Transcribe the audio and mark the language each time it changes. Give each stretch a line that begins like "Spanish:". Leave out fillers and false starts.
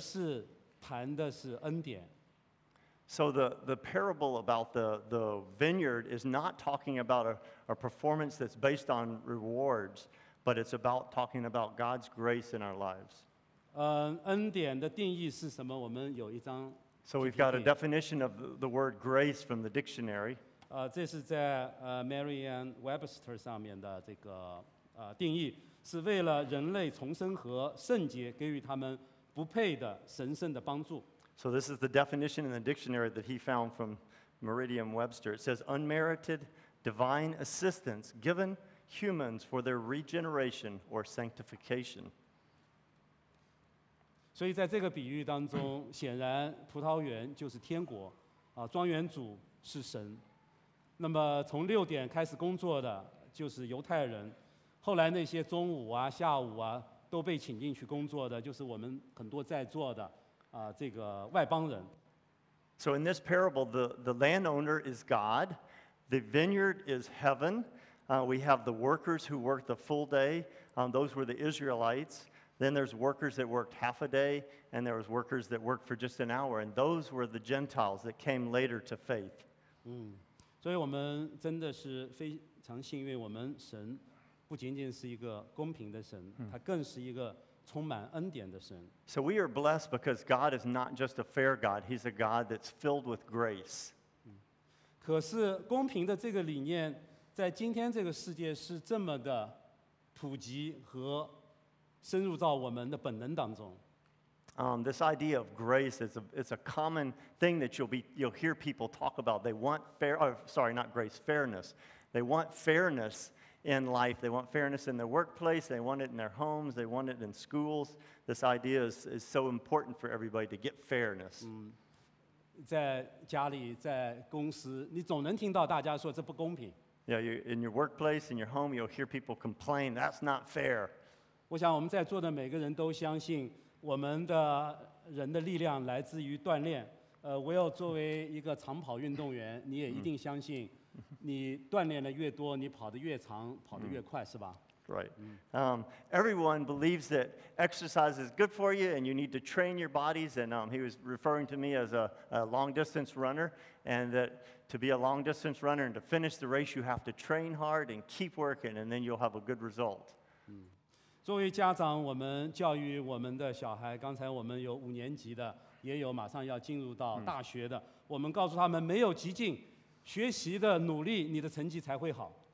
Chinese: 所以这个葡萄园工人的故事不是讲基于表现的奖励，而是谈的是恩典。
English: So the parable about the vineyard is not talking about a performance that's based on rewards, but it's about talking about God's grace in our lives.
Chinese: 恩典的定义是什么？我们有一张
English: So we've got a definition of the word grace from the dictionary.
Chinese: 这是在 Merriam-Webster 上面的这个 定义， 是为了人类重生和圣洁，给予他们不配的神圣的帮助。
English: So this is the definition in the dictionary that he found from Merriam-Webster. It says, unmerited divine assistance given humans for their regeneration or sanctification.
Chinese: 所以在这个比喻当中，显然葡萄园就是天国，啊，庄园主是神。那么从六点开始工作的就是犹太人，后来那些中午啊、下午啊都被请进去工作的，就是我们很多在座的啊，这个外邦人。
English: So in this parable, the landowner is God, the vineyard is heaven. We have the workers who work the full day. Those were the Israelites. Then there's workers that worked half a day, and there was workers that worked for just an hour, and those were the Gentiles that came later to faith.
Chinese: 所以我们真的是非常幸运，我们神不仅仅是一个公平的神，他更是一个充满恩典的神。
English: So we are blessed because God is not just a fair God, He's a God that's filled with grace.
Chinese: 可是公平的这个理念在今天这个世界是这么的普及和深入到我们的本能当中。
English: This idea of grace is it's a common thing that you'll hear people talk about. They want fairness. They want fairness in life. They want fairness in their workplace. They want it in their homes. They want it in schools. This idea is so important for everybody to get fairness.
Chinese: 在家里，在公司，你总能听到大家说这不公平。
English: Yeah, in your workplace, in your home, you'll hear people complain. That's not fair.
Chinese: 我想我们在座的每个人都相信。我们的人的力量来自于锻炼。 Will 作为一个长跑运动员，你也一定相信，你锻炼的越多，你跑得越长，跑得越快，是吧？
English: Right. Everyone believes that exercise is good for you, and you need to train your bodies. And he was referring to me as a long distance runner, and that to be a long distance runner and to finish the race, you have to train hard and keep working, and then you'll have a good result.
Chinese: 作为家长，我们教育我们的小孩，刚才我们有五年级的，也有马上要进入到大学的，我们告诉他们，没有激进学习的努力，你的成绩才会好。